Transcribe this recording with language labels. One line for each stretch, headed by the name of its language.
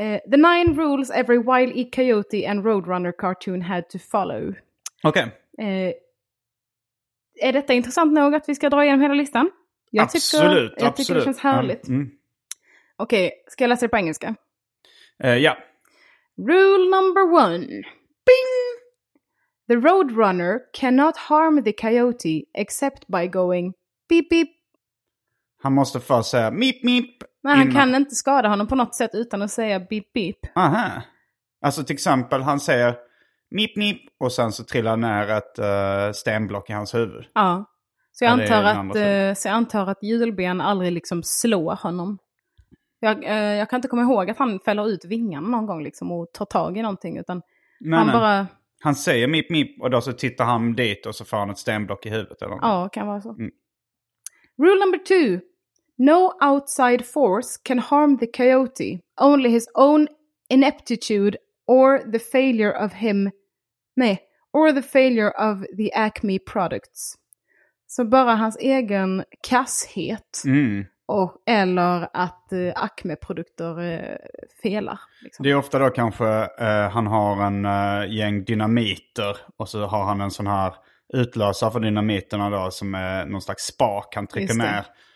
English: The nine rules every Wile E. Coyote and Roadrunner cartoon had to follow.
Swedish: Okej. Är detta intressant nog att vi ska dra igenom hela listan? Jag tycker det känns härligt. Okej, ska jag läsa det på engelska? Ja.
English: Rule number one. Bing! The roadrunner cannot harm the coyote except by going beep beep.
Swedish: Han måste få säga meep meep. Men han kan inte skada honom på något sätt utan att säga beep beep. Aha. Alltså till exempel han säger meep meep och sen så trillar ner ett stenblock i hans huvud. Ja. Så jag antar att julben aldrig liksom slår honom. Jag kan inte komma ihåg att han fäller ut vingarna någon gång liksom och tar tag i någonting. Utan bara... Han säger mip mip och då så tittar han dit och så får han ett stenblock i huvudet. Eller ja, kan vara så.
English: Mm. Rule number two. No outside force can harm the coyote. Only his own ineptitude or the failure of him... Nej, or the failure of the Acme products.
Swedish: Så bara hans egen kasshet... Mm. Och, eller att Acme-produkter felar. Liksom. Det är ofta då kanske han har en gäng dynamiter och så har han en sån här utlösare för dynamiterna då som är någon slags spak han trycker ner.